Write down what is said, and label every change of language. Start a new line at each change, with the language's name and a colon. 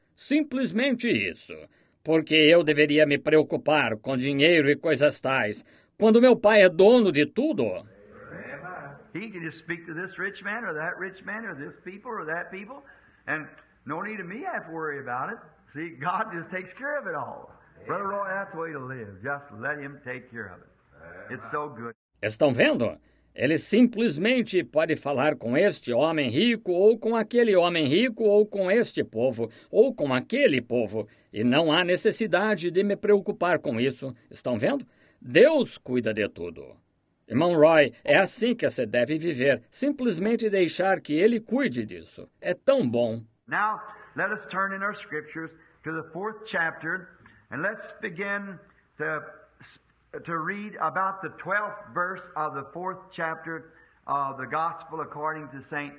Portuguese: Simplesmente isso. Porque eu deveria me preocupar com dinheiro e coisas tais, quando meu pai é dono de tudo...
English: He can just speak to this rich man or that rich man or this people or that people. And no need of me have to worry about it. See, God just takes care of it all. Yeah. Brother Roy, that's the way to live. Just let him take care of it. Yeah. It's so good.
Portuguese: Estão vendo? Ele simplesmente pode falar com este homem rico ou com aquele homem rico ou com este povo ou com aquele povo. E não há necessidade de me preocupar com isso. Estão vendo? Deus cuida de tudo. Irmão Roy, é assim que você deve viver. Simplesmente deixar que ele cuide disso. É tão bom.
English: Now, let us turn in our scriptures to the fourth chapter and let's begin to read about the 12th verse of the fourth chapter of the Gospel according to St.